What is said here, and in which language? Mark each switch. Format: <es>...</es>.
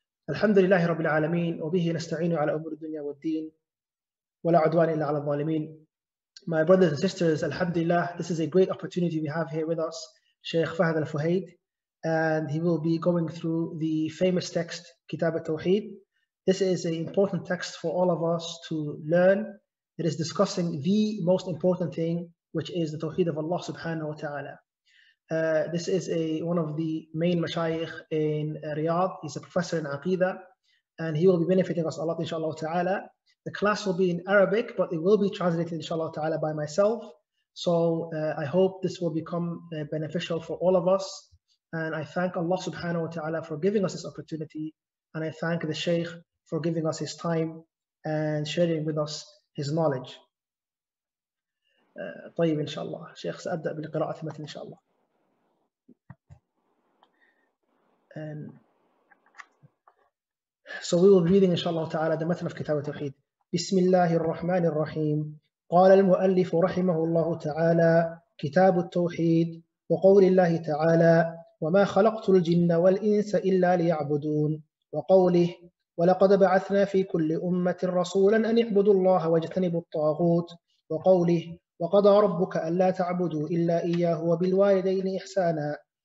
<ar>الحمد لله رب العالمين، وبه نستعين على أمور الدنيا والدين، ولا عدوان إلا على الظالمين.</ar> <en>My brothers and sisters, alhamdulillah, this is a great opportunity we have here with us, Sheikh Fahd Al-Fuhayd, and he will be going through the famous text, Kitab Al-Tawheed. This is an important text for all of us to learn. It is discussing the most important thing, which is the Tawheed of Allah subhanahu wa ta'ala. This is one of the main mashayikh in Riyadh. He's a professor in Aqeedah, and he will be benefiting us a lot, inshallah ta'ala. The class will be in Arabic, but it will be translated, inshallah ta'ala, by myself. So I hope this will become beneficial for all of us. And I thank Allah subhanahu wa ta'ala for giving us this opportunity. And I thank the Shaykh for giving us his time and sharing with us his knowledge.</en> <ar>طيب إن شاء الله شيخ سأبدأ بالقراءة المتن إن شاء الله.</ar> <en>So we will be reading</en> <ar>إن شاء الله تعالى</ar> <en>the متن of كتاب التوحيد.</en> <ar>بسم الله الرحمن الرحيم. قال المؤلف رحمه الله تعالى كتاب التوحيد وقول الله تعالى وما خلقت الجن والإنس إلا ليعبدون وقوله ولقد بعثنا في كل أمة رسولا أن يعبدوا الله واجتنبوا الطاغوت وقوله وقضى ربك ألا تعبدوا إلا إياه وبالوالدين إحسانا</ar>